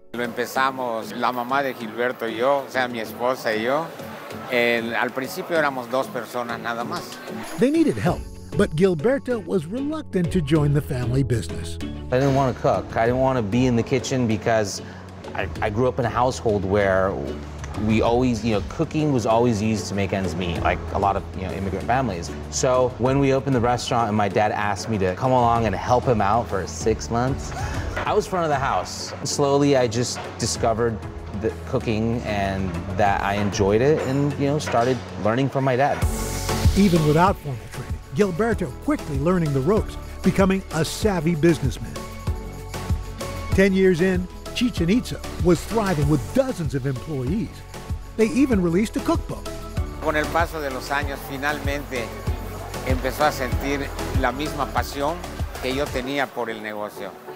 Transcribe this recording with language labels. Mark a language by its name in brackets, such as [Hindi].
[Spanish] Lo empezamos la mamá de Gilberto y yo, o sea, mi esposa y yo. Al principio éramos dos personas nada más. [English] They needed help, but Gilberto was reluctant to join the family business. I didn't want to cook. I didn't want to be in the kitchen because I grew up in a household where we always, you know, cooking was always used to make ends meet, like a lot of, you know, immigrant families. So when we opened the restaurant and my dad asked me to come along and help him out for 6 months, I was front of the house. Slowly, I just discovered the cooking and that I enjoyed it and, you know, started learning from my dad. Even without formal training, Gilberto quickly learning the ropes, becoming a savvy businessman. 10 years in, Chichen Itza was thriving with dozens of employees. They even released a cookbook. [Spanish] Con el paso de los años, finalmente empezó a sentir la misma pasión que yo tenía por el negocio.